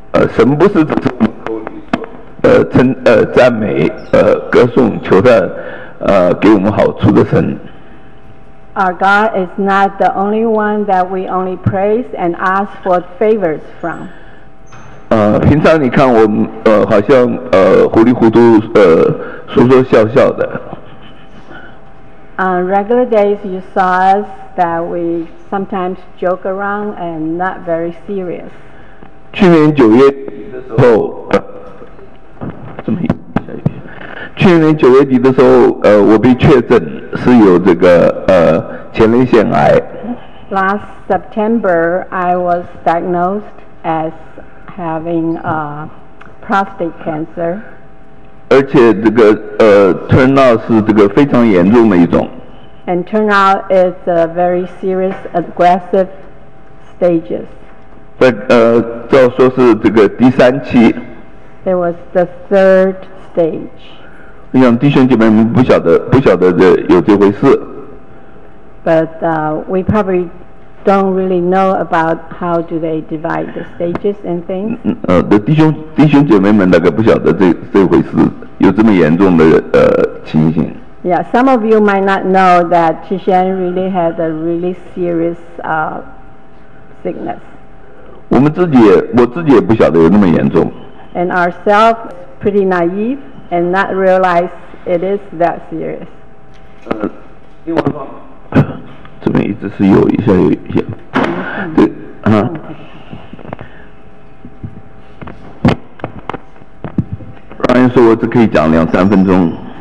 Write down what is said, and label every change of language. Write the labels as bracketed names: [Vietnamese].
[Chinese] 神不是只是赞美歌颂求他给我们好处的神。 [English] Our God is not the only one that we only praise and ask for favors from. [Chinese] 平常你看我们好像糊里糊涂说说笑笑的。 [English] On regular days, you saw us that we sometimes joke around and not very serious. [Chinese] 去年九月底的时候，去年九月底的时候，我被确诊是有这个前列腺癌。 [English] Last September, I was diagnosed as having a prostate cancer. [Chinese] 而且这个 [English] turn out [Chinese] 是这个非常严重的一种。 [English] And turn out it's a very serious aggressive stages. [Chinese] But 照说是这个第三期。 [English] It was the third stage. [Chinese] 我想弟兄姐妹们不晓得这有这回事。 [English] But we probably don't really know about how do they divide the stages and things. [Chinese] 弟兄姐妹们大概不晓得这回事有这么严重的情形。 [English] Yeah, some of you might not know that Qixian really had a really serious sickness. [Chinese] 我自己也不晓得有那么严重。 [English] And ourselves pretty naive. And not realize it is that serious. [Chinese] 另外方，这边一直是有一下有一下，对，Ryan说我只可以讲两三分钟。